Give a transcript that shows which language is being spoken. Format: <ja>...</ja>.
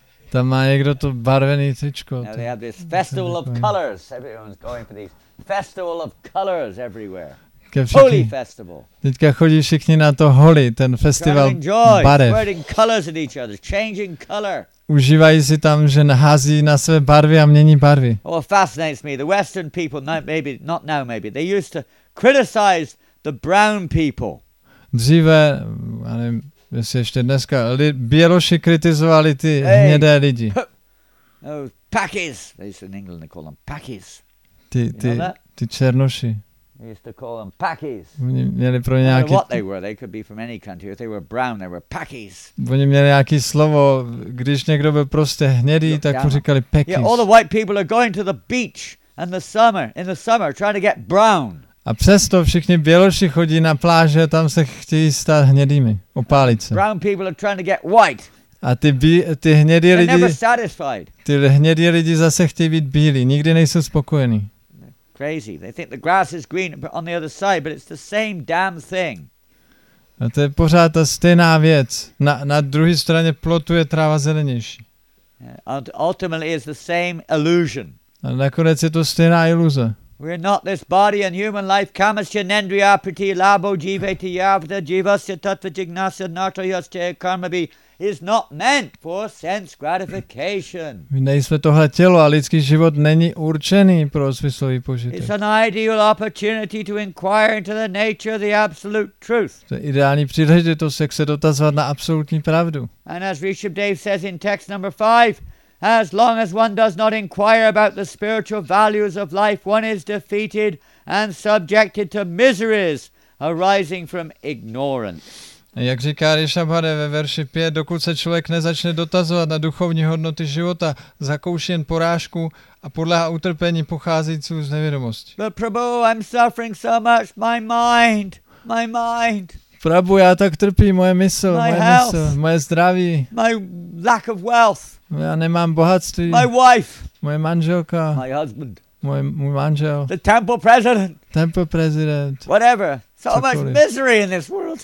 <cs>Tam má někdo to barvený tričko.</cs> <en>Now they have this festival of colors. Everyone's going for these festival of colors everywhere. Holy festival.</en> <cs>Teďka chodí všichni na to holi, ten festival barev.</cs> <en>Spreading colors at each other, changing color.</en> <cs>Užívají si tam, že nahází na své barvy a mění barvy.</cs> <en>Oh, fascinates me. The Western people, maybe not now, maybe they used to criticize the brown people.</en> <cs>Dříve, já nevím, jestli ještě dneska, běloši kritizovali ty hnědé lidi.</cs> <en>Pakis. They used to, in England they call them pakis.</en> <cs>Ty černoši.</cs> <en>They used to call them Pakis.</en> <cs>Oni měli pro nějaký...</cs> <en>I don't know what they were. They could be from any country. If they were brown, they were Pakis.</en> <cs>Oni měli nějaký slovo. Když někdo byl prostě hnědý, tak mu říkali Pakis.</cs> <en>Yeah, all the white people are going to the beach in the summer, trying to get brown.</en> <cs>A přesto všichni běloši chodí na pláže, tam se chtějí stát hnědými, opálit se.</cs> <en>Brown people are trying to get white.</en> <cs>A ty hnědí lidi,</cs> <en>never satisfied.</en> <cs>Ty hnědí lidi zase chtějí být bílí, nikdy nejsou spokojení.</cs> <en>Crazy. They think the grass is green on the other side, but it's the same damn thing.</en> <cs>A to je pořád ta stejná věc. Na druhé straně plotu je tráva zelenější.</cs> <en>And ultimately is the same illusion.</en> <cs>A nakonec je to stejná iluze.</cs> <en>We're not this body and human life.</en> <sa>Kamasya nendriya priti labo jivete yavda jivasya tatva jignasya natayasya karmabhi</sa> <en>is not meant for sense gratification.</en> <cs>My nejsme tohle tělo a lidský život není určený pro smyslový požitek.</cs> <en>It's an ideal opportunity to inquire into the nature of the absolute truth.</en> <cs>To je ideální příležitost, jak se dotazovat na absolutní pravdu.</cs> <en>And as Rishabhdev says in text number 5, as long as one does not inquire about the spiritual values of life, one is defeated and subjected to miseries arising from ignorance.</en> <cs>Jak říká Rishabhade ve verši 5, dokud se člověk nezačne dotazovat na duchovní hodnoty života, zakouší jen porážku a podléhá utrpení pocházejícího z nevědomosti.</cs> <en>But Prabhu, I'm suffering so much, my mind.</en> <cs>Prabhu, já tak trpím, moje mysl, moje zdraví.</cs> <en>My lack of wealth.</en> <cs>Já nemám bohatství.</cs> <en>My wife.</en> <cs>Moje manželka.</cs> <en>My husband.</en> <cs>Můj manžel.</cs> <en>The temple president. Temple president. Whatever. So</en> <cs>cokoliv.</cs> <en>Much misery in this world.</en>